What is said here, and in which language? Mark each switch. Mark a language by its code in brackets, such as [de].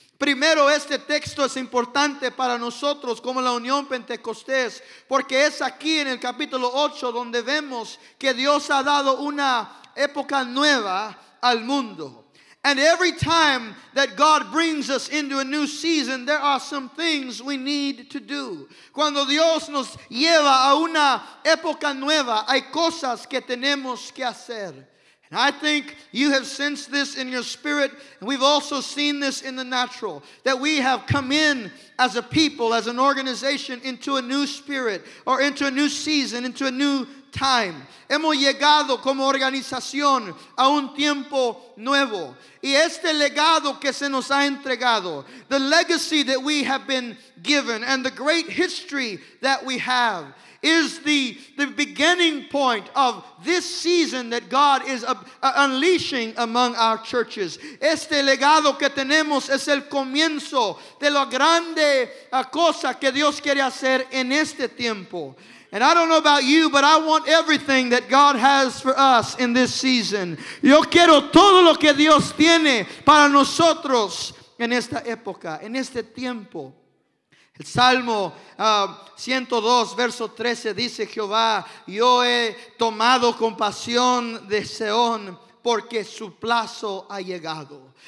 [es] Primero, este texto es importante para nosotros como la Unión Pentecostés, porque es aquí en el capítulo 8 donde vemos que Dios ha dado una época nueva al mundo. [en] And every time that God brings us into a new season, there are some things we need to do. [es] Cuando Dios nos lleva a una época nueva, hay cosas que tenemos que hacer. [en] And I think you have sensed this in your spirit, and we've also seen this in the natural, that we have come in as a people, as an organization, into a new spirit, or into a new season, into a new time. [es] Hemos llegado como organización a un tiempo nuevo. Y este legado que se nos ha entregado, [en] the legacy that we have been given and the great history that we have is the beginning point of this season that God is unleashing among our churches. [es] Este legado que tenemos es el comienzo de la grande cosa que Dios quiere hacer en este tiempo. [en] And I don't know about you, but I want everything that God has for us in this season. [es] Yo quiero todo lo que Dios tiene para nosotros en esta época, en este tiempo. El Salmo 102, verso 13, dice Jehová, yo he tomado compasión de Sion porque su plazo ha llegado.